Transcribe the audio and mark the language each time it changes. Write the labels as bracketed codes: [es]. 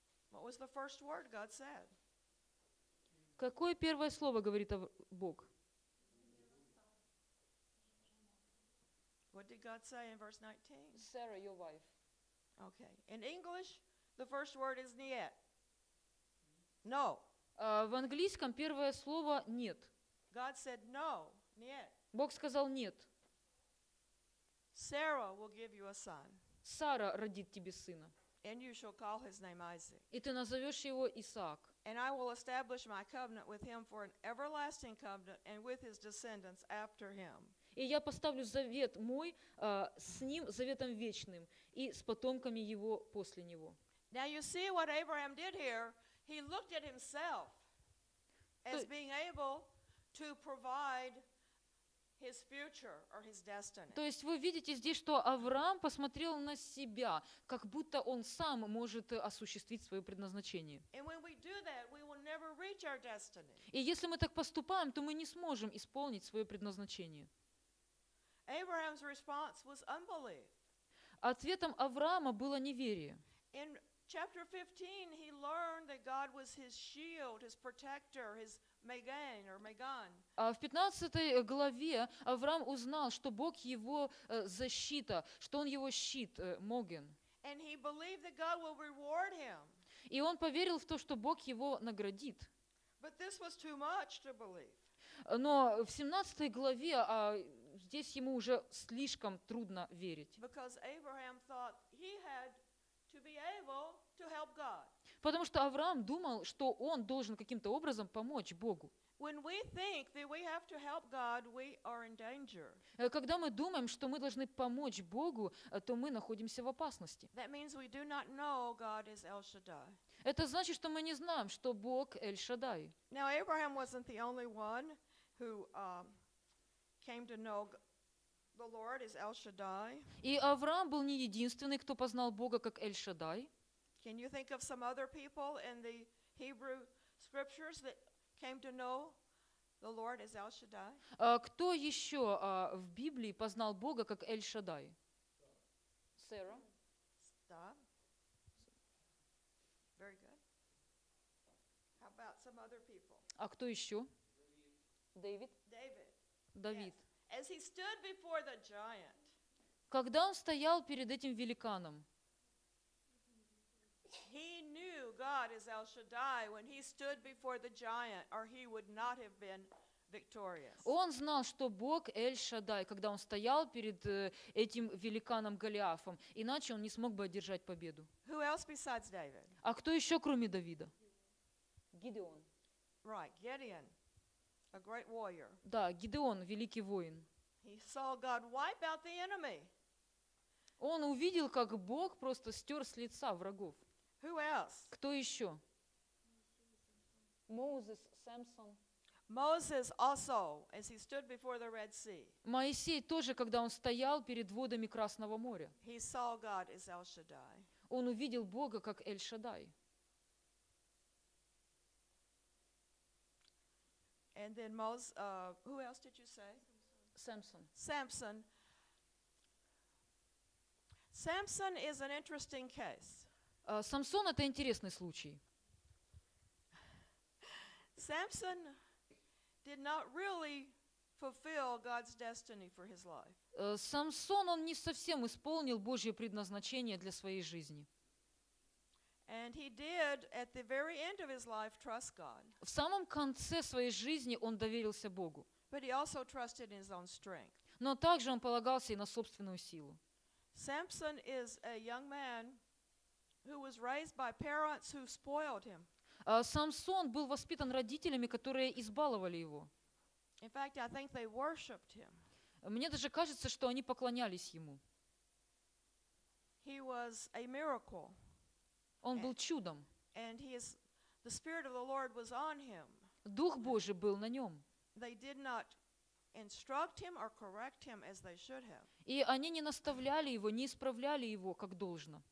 [en] What was the first word God said? [ru] Какое первое слово говорит Бог? [en] What did God say in verse 19? Sarah, your wife. Okay. In English, the first word is niet. No. [ru] В английском первое слово нет. [en] God said no, нет. [ru] Бог сказал нет. [en] Sarah will give you a son. [ru] Сара родит тебе сына. [en] And you shall call his name Isaac. [ru] И ты назовешь его Исаак. [en] And I will establish my covenant with him for an everlasting covenant and with his descendants after him. [ru] И я поставлю завет мой с ним заветом вечным и с потомками его после него. [en] Now you see what Abraham did here. He looked at himself as being able to provide his future or his destiny. [ru] То есть вы видите здесь, что Авраам посмотрел на себя, как будто он сам может осуществить свое предназначение. [en] And when we do that, we will never reach our destiny. [ru] И если мы так поступаем, то мы не сможем исполнить свое предназначение. [en] Abraham's response was unbelief. [ru] Ответом Авраама было неверие. [en] In chapter 15, he learned that God was his shield, his protector, his Megan or Megan. [ru] В 15 главе Авраам узнал, что Бог его защита, что он его щит, Моген. [en] And he believed that God will reward him. [ru] И он поверил в то, что Бог его наградит. [en] But this was too much to believe. [ru] Но в 17 главе, здесь ему уже слишком трудно верить. [en] Because Abraham thought he had to be able to help God. [ru] Потому что Авраам думал, что он должен каким-то образом помочь Богу. [en] When we think that we have to help God, we are in danger. [ru] Когда мы думаем, что мы должны помочь Богу, то мы находимся в опасности. [en] That means we do not know God is El Shaddai. [ru] Это значит, что мы не знаем, что Бог Эль Шадай. [en] Now Abraham wasn't the only one who came to know the Lord is El Shaddai. [ru] И Авраам был не единственный, кто познал Бога как Эль Шадай. [en] Can you think of some other people in the Hebrew scriptures that came to know the Lord as El Shaddai? [ru] Кто еще в Библии познал Бога как Эль Шадай? Сара. Да. [en] Very good. How about some other people? [ru] А кто еще? Давид. Давид. Давид. [en] As he stood before the giant. [ru] Когда он стоял перед этим великаном. [en] He knew God is El Shaddai when he stood before the giant, or he would not have been victorious. [ru] Он знал, что Бог Эль Шадай, когда он стоял перед этим великаном Голиафом, иначе он не смог бы одержать победу. [en] Who else besides David? [ru] А кто еще кроме Давида? [en] Gideon. Right, Gideon, a great warrior. [ru] Да, Гидеон, великий воин. [en] He saw God wipe out the enemy. [ru] Он увидел, как Бог просто стер с лица врагов. [en] Who else? [ru] Кто еще? [en] Moses, Samson. Moses also, as he stood before the Red Sea. [ru] Моисей тоже, когда он стоял перед водами Красного моря. [en] He saw God as El Shaddai. [ru] Он увидел Бога как Эль Шадай. [en] And then Moses, who else did you say? Samson. Samson. Samson is an interesting case. [ru] Самсон — это интересный случай. [en] Samson did not really fulfill God's destiny for his life. [ru] Самсон, он не совсем исполнил Божье предназначение для своей жизни. [en] And he did at the very end of his life trust God. [ru] В самом конце своей жизни он доверился Богу. [en] But he also trusted in his own strength. [ru] Но также он полагался и на собственную силу. [en] Samson is a young man who was raised by parents who spoiled him. [ru] Самсон был воспитан родителями, которые избаловали его. [en] In fact, I think they worshipped him. [ru] Мне даже кажется, что они поклонялись ему. [en] He was a miracle. [ru] Он был чудом. [en] And the Spirit of the Lord was on him. [ru] Дух Божий был на нем. [en] They did not instruct him or correct him as they should have. [ru] И они не наставляли его, не исправляли его как должно.